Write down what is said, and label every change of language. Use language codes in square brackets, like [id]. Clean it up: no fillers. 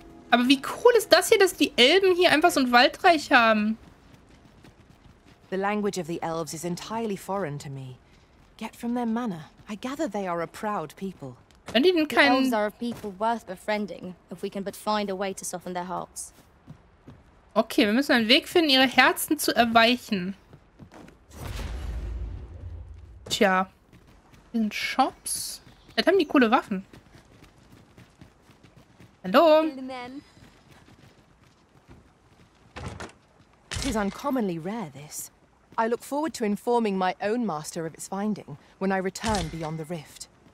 [de] Aber wie cool ist das hier, dass die Elben hier einfach so ein Waldreich haben? [en] The language of the elves is entirely foreign to me. Yet from their manner, I gather they are a proud people. [de] Wenn die denn keinen... [en] The elves are a people worth befriending, if we can but find a way to soften their hearts. [de] Okay, wir müssen einen Weg finden, ihre Herzen zu erweichen. Tja, hier sind Shops. Jetzt haben die coole Waffen. Hallo. [en] It is uncommonly rare, this. I look forward to informing my own master of its finding when I return beyond the rift.